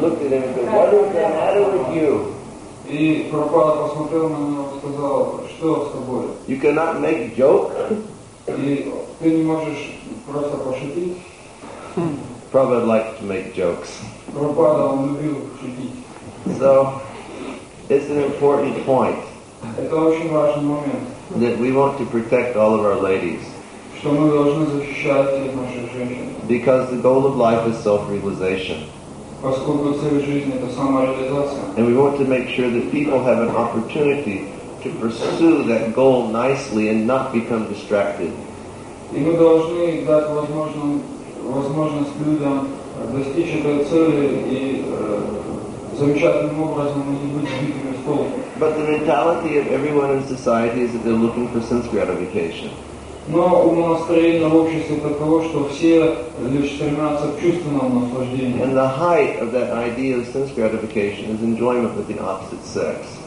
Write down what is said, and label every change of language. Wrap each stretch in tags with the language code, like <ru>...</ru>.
<en>looked at him and said, what is the matter with you?</en> <ru>И Прабхупада посмотрел на него и сказал, что с тобой?</ru> <en>You cannot make a joke?</en> <ru>И ты не можешь просто пошутить?</ru> <en>Prabhupada liked to make jokes.</en> <ru>Прабхупада, он любил шутить.</ru> <en>So, it's an important point.</en> <ru>Это очень важный момент.</ru> <en>That we want to protect all of our ladies.</en> <ru>Что мы должны защищать наших женщин.</ru> <en>because the goal of life is self-realization. And we want to make sure that people have an opportunity to pursue that goal nicely and not become distracted.</en> <ru>И мы должны дать возможность людям достичь этой цели и замечательным образом не быть сбитыми с толку.</ru> <en>But the mentality of everyone in society is that they're looking for sense gratification.</en> <ru>Но умонастроение в обществе таково, что все лишь стремятся к чувственному наслаждению.</ru> <en>And the height of that idea of sense gratification is enjoyment with the opposite sex.</en>